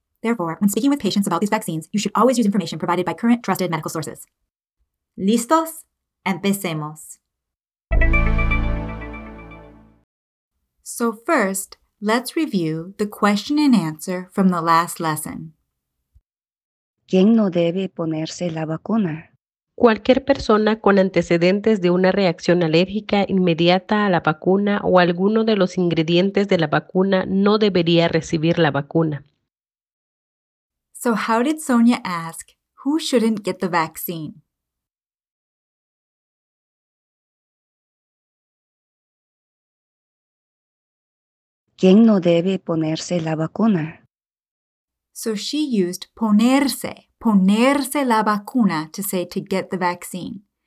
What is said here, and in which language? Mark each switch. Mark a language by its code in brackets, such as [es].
[en] Therefore, when speaking with patients about these vaccines, you should always use information provided by current trusted medical sources. [es] ¿Listos? Empecemos. [en] So first, let's review the question and answer from the last lesson. [es] ¿Quién no debe ponerse la vacuna? Cualquier persona con antecedentes de una reacción alérgica inmediata a la vacuna o alguno de los ingredientes de la vacuna no debería recibir la vacuna. [en] So how did Sonia ask, who shouldn't get the vaccine? [es] ¿Quién no debe ponerse la vacuna? [en] So she used [es] ponerse la vacuna [en] to say to get the vaccine.